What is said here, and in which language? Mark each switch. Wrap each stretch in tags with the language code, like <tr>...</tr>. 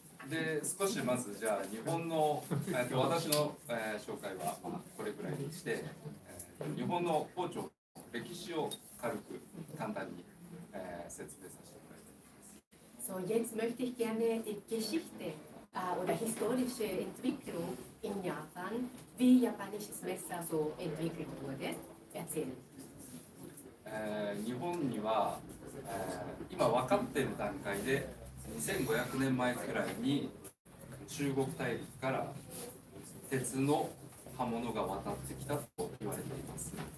<ja>で少しまずじゃあ日本の私の紹介はまあこれくらいにして、日本の包丁歴史を軽く簡単に説明させてもらいます。</ja> <de>So, jetzt möchte ich gerne die Geschichte oder historische Entwicklung in Japan, wie japanisches Messer so entwickelt wurde, erzählen.</de> <ja>日本には、今分かっている段階で2500年前くらいに中国大陸から鉄の刃物が渡ってきたと言われています。</ja>